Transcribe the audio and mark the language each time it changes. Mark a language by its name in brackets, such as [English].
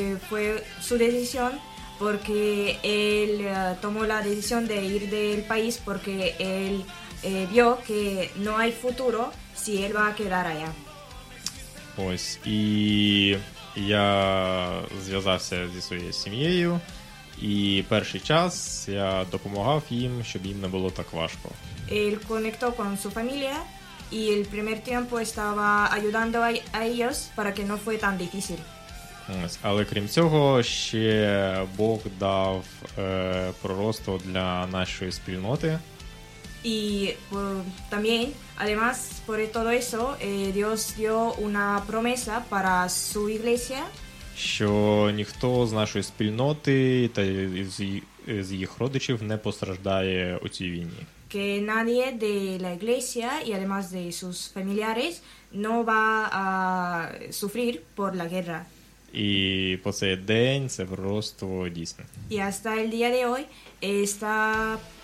[Spanish] Fue su decisión porque él tomó la decisión de ir del país porque él vio que no hay futuro si él va a quedar allá. Pues, y [Ukrainian] я зв'язався зі своєю сім'єю і перший час я допомагав їм, щоб їм не було так важко. [Spanish] Él conectó con su familia y el primer tiempo estaba ayudando a ellos para que no fue tan difícil. [Ukrainian] Але крім цього, ще Бог дав пророцтво для нашої спільноти. І [Spanish] también, además, por todo eso, Dios dio una promesa para su iglesia, [Ukrainian] що ніхто з нашої спільноти та з їх родичів не постраждає у цій війні. [Spanish] Que nadie de la iglesia y además de sus familiares no va a sufrir por la guerra. [Ukrainian] І по цей день це пророцтво дійсно. [Spanish] Y hasta el día de hoy está